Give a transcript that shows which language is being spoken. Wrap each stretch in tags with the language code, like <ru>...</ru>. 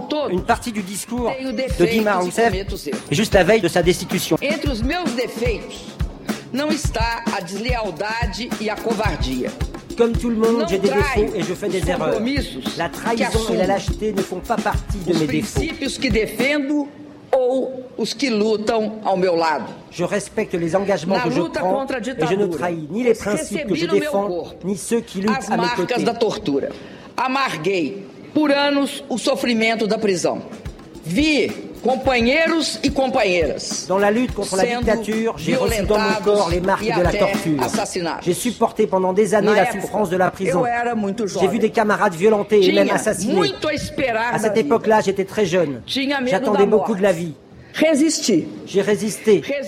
<fr>Une partie du discours de Dilma Rousseff est juste la veille de sa destitution.</fr> <pt>Entre os meus defeitos, não está a deslealdade e a covardia.</pt> <fr>Comme tout le monde, j'ai des défauts et je fais des erreurs. La trahison et la lâcheté ne font pas partie de mes défauts.</fr> <pt>Que defendo ou os que lutam ao meu lado.</pt> <fr>Je respecte les engagements que je prends et je ne trahis ni les principes que je défends ni ceux qui luttent à mes côtés.</fr> <pt>As marcas da tortura. Amarguei por anos o sofrimento da prisão. Vi companheiros e companheiras.</pt> <fr>Dans la lutte contre la dictature, j'ai reçu dans mon corps les marques de la torture. J'ai supporté pendant des années la souffrance de la prison. J'ai vu des camarades violentés et même assassinés. À cette époque-là, j'étais très jeune. J'attendais beaucoup de la vie. J'ai résisté</fr>